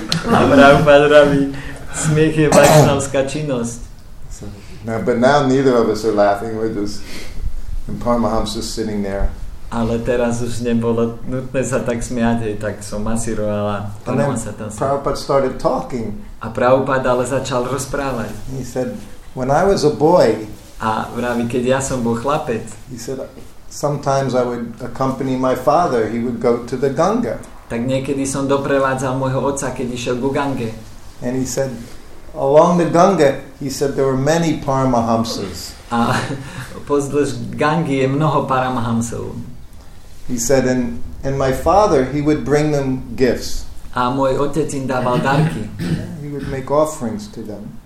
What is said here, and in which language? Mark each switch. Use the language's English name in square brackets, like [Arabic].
[Slovak] A Prabhupada raví, smiech je vaishnavská činnosť. [English] Now, but now neither of us are laughing. We're just, and Paramahamsa is sitting there. [Slovak] Ale teraz už nebolo nutné sa tak smiať, tak som masíroval a Paramahamsa tam. [English] Prabhupada started talking. [Slovak] A Prabhupada ale začal rozprávať. [English] He said, when I was a boy. [Slovak] A vraví, keď ja som bol chlapec. [English] He said, sometimes I would accompany my father. He would go to the Ganga. [Slovak] Tak niekedy som doprevádzal môjho otca, keď išiel ku Gange. [English] And he said, along the Ganga, he said there were many Paramahamsas. [Slovak] A pozdĺž Gangy je mnoho Paramahamsov. [English] He said, and my father, he would bring them gifts. [Slovak] A môj otec im dával darky. [English] He would make offerings to them.